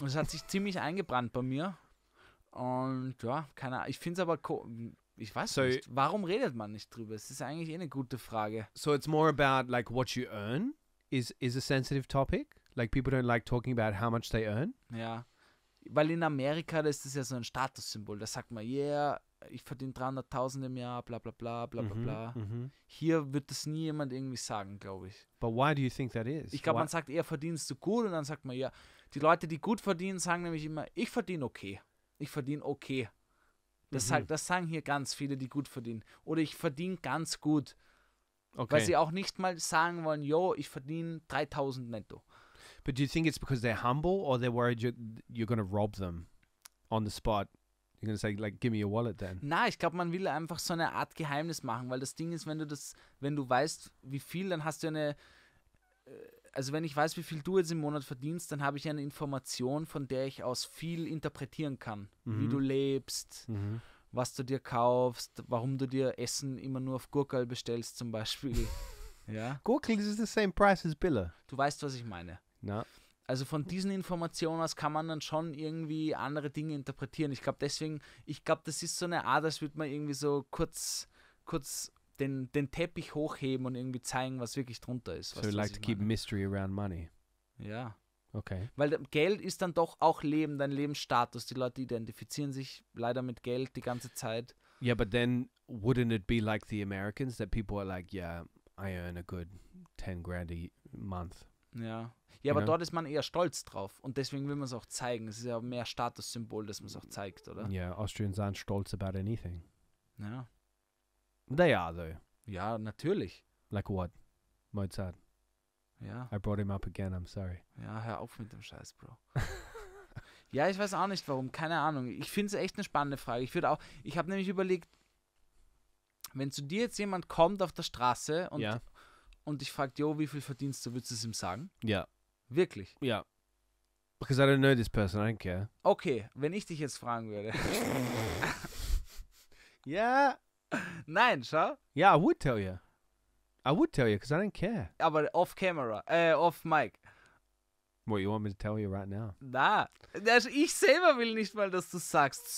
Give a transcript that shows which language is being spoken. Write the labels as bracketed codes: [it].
[de] Es hat sich ziemlich eingebrannt bei mir. Und ja, keine Ahnung. Ich finde es aber... Ich weiß nicht. Warum redet man nicht drüber? Es ist eigentlich eine gute Frage. [en] So it's more about like what you earn is a sensitive topic. Like people don't like talking about how much they earn. [de] Ja. Weil in Amerika, das ist ja so ein Statussymbol. Da sagt man, yeah, ich verdiene 300.000 im Jahr, bla bla bla, bla bla bla. Mm-hmm. Hier wird das nie jemand irgendwie sagen, glaube ich. [en] But why do you think that is? [de] Ich glaube, man sagt eher, verdienst du gut? Und dann sagt man, ja, die Leute, die gut verdienen, sagen nämlich immer, ich verdiene okay. Ich verdiene okay. Das sagen hier ganz viele, die gut verdienen. Oder ich verdiene ganz gut. Okay. Weil sie auch nicht mal sagen wollen, yo, ich verdiene 3.000 netto. [en] But do you think it's because they're humble or they're worried you're going to rob them on the spot? You're going to say, like, give me your wallet then. [de] Na, ich glaube, man will einfach so eine Art Geheimnis machen, weil das Ding ist, wenn du weißt, wie viel, dann hast du eine... Also wenn ich weiß, wie viel du jetzt im Monat verdienst, dann habe ich eine Information, von der ich aus viel interpretieren kann. Mhm. Wie du lebst, was du dir kaufst, warum du dir Essen immer nur auf Gurkel bestellst zum Beispiel. Ja? [en] Gurkel is the same price as Biller. [de] Du weißt, was ich meine. Na. Also von diesen Informationen aus kann man dann schon irgendwie andere Dinge interpretieren. Ich glaube, das ist so eine Art, als würde man irgendwie so kurz den Teppich hochheben und irgendwie zeigen, was wirklich drunter ist. [en] So like to keep mystery around money. [de] Ja. Okay. Weil Geld ist dann doch auch Leben, dein Lebensstatus. Die Leute identifizieren sich leider mit Geld die ganze Zeit. [en] Yeah, but then wouldn't it be like the Americans, that people are like, yeah, I earn a good 10 grand a month. [de] Ja. Ja, aber dort ist man eher stolz drauf und deswegen will man es auch zeigen. Es ist ja mehr Statussymbol, dass man es auch zeigt, oder? [en] Yeah, Austrians aren't stolz about anything. [de] Ja. [en] They are, though. [de] Ja, natürlich. [en] Like what? Mozart. [de] Ja. [en] I brought him up again, I'm sorry. [de] Ja, hör auf mit dem Scheiß, Bro. Ja, ich weiß auch nicht, warum. Keine Ahnung. Ich finde es echt eine spannende Frage. Ich habe nämlich überlegt, wenn zu dir jetzt jemand kommt auf der Straße und, ja, und dich fragt, jo, wie viel verdienst du, würdest du es ihm sagen? Ja. Wirklich? Ja. [en] Because I don't know this person, I don't care. [de] Okay, wenn ich dich jetzt fragen würde. Ja. Nein, schau. [en] Ja, I would tell you. I would tell you, because I don't care. [de] Aber [en] off camera, off mic. What, you want me to tell you right now? [de] Na, also ich selber will nicht mal, dass du sagst.